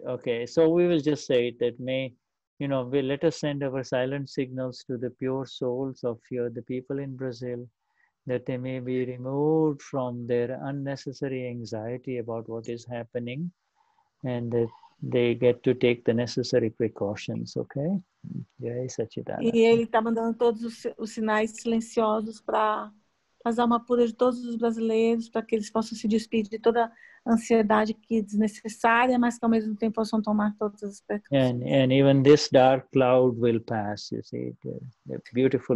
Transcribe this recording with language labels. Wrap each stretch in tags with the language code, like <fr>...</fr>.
<en>Okay, so we will just say that may, you know, we let us send our silent signals to the pure souls of the people in Brazil, that they may be removed from their unnecessary anxiety about what is happening and that they get to take the necessary precautions, okay? Jai Sachidana.</en> <pt>E ele está mandando todos os sinais silenciosos para as almas puras de todos os brasileiros, para que eles possam se despedir de toda ansiedade que é desnecessária, mas que ao mesmo tempo possam tomar todas as precauções.</pt> <en>And even this dark cloud will pass, you see, the beautiful</en>